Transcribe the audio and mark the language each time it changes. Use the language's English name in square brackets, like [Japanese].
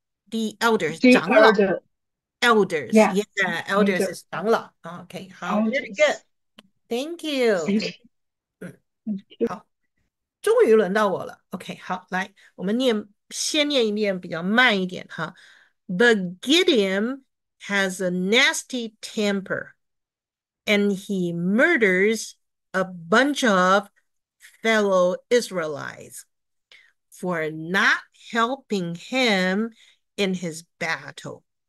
[English] The elders, 长老 Okay, 好 very good. Thank you. [Chinese] 终于轮到我了。 OK，好，来，我们念，先念一遍，比较慢一点哈。 [English] But Gideon has a nasty temper, and he murders a bunch of fellow Israelites for not helping him in his battle.